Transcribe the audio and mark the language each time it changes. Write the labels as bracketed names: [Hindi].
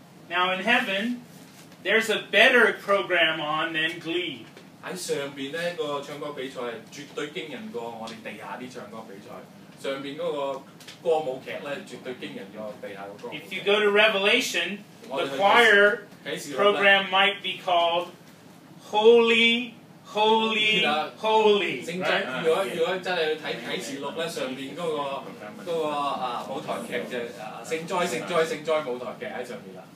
[English] Now in heaven, there's a better program on than Glee. [Chinese] 在上面那個唱歌比賽絕對驚人過我們地下的唱歌比賽。上面那個歌舞劇絕對驚人過地下的歌舞劇。 [English] If you go to Revelation, the choir program might be called Holy, Holy, Holy. [Chinese] 如果真的要看啟示錄,上面那個舞台劇就聖災舞台劇在上面。